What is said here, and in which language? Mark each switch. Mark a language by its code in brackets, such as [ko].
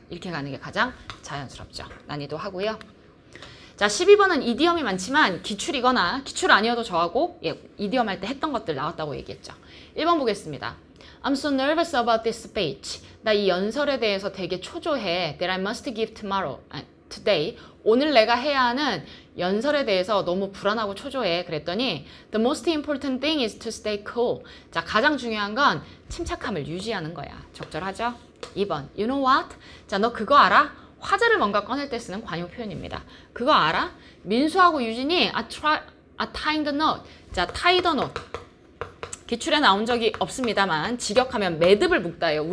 [ko] 이렇게 가는 게 가장 자연스럽죠. 난이도 하고요. 자, 12번은 이디엄이 많지만 기출이거나 기출 아니어도 저하고 이디엄 할 때 했던 것들 나왔다고 얘기했죠. 1번 보겠습니다. [en] I'm so nervous about this speech. [ko] 나 이 연설에 대해서 되게 초조해. [en] That I must give tomorrow. Today. [ko] 오늘 내가 해야 하는 연설에 대해서 너무 불안하고 초조해. 그랬더니 [en] The most important thing is to stay cool. [ko] 자, 가장 중요한 건 침착함을 유지하는 거야. 적절하죠? 2번. [en] You know what? [ko] 자, 너 그거 알아? 화제를 뭔가 꺼낼 때 쓰는 관용 표현입니다. 그거 알아? 민수하고 유진이 [en] I tied the knot. 자, tie the knot. [ko] 기출에 나온 적이 없습니다만 직역하면 매듭을 묶다예요.